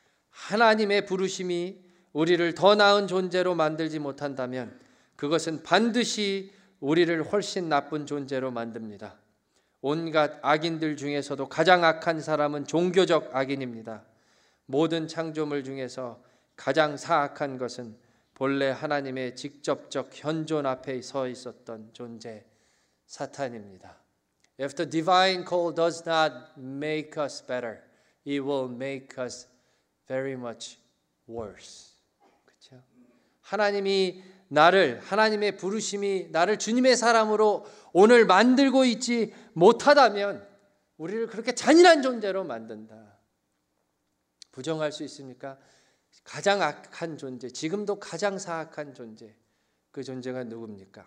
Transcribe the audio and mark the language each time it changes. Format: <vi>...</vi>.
<ko>하나님의 부르심이 우리를 더 나은 존재로 만들지 못한다면 그것은 반드시 우리를 훨씬 나쁜 존재로 만듭니다. 온갖 악인들 중에서도 가장 악한 사람은 종교적 악인입니다. 모든 창조물 중에서 가장 사악한 것은 본래 하나님의 직접적 현존 앞에 서 있었던 존재 사탄입니다.</ko> <en>If the divine call does not make us better, it will make us very much worse.</en> <ko>그렇죠? 하나님이 나를 하나님의 부르심이 나를 주님의 사람으로 오늘 만들고 있지 못하다면 우리를 그렇게 잔인한 존재로 만든다. 부정할 수 있습니까? 가장 악한 존재, 지금도 가장 사악한 존재, 그 존재가 누굽니까?</ko>